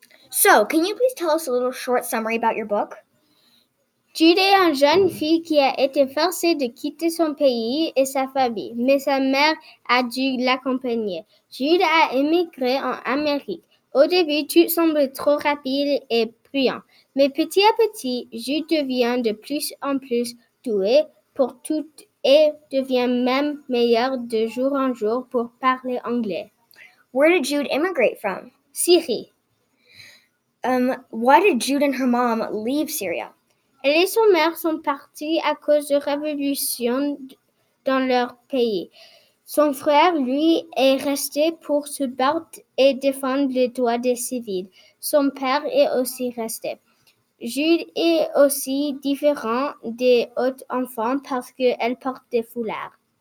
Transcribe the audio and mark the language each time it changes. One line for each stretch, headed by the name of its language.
English: So, can you please tell us a little short summary about your book?
French: Jude est une jeune fille qui a été forcée de quitter son pays et sa famille, mais sa mère a dû l'accompagner. Jude a émigré en Amérique. Au début, tout semble trop rapide et bruyant, mais petit à petit, Jude devient de plus en plus doué pour tout et devient même meilleur de jour en jour pour parler anglais.
English: Where did Jude immigrate from?
French: Syrie.
English: Why did Jude and her mom leave Syria?
French: Elle et son mère sont partis à cause de révolution dans leur pays. Son frère, lui, est resté pour se battre et défendre les droits des civils. Son père est aussi resté. Jude est aussi différent des autres enfants parce qu'elle porte des foulards.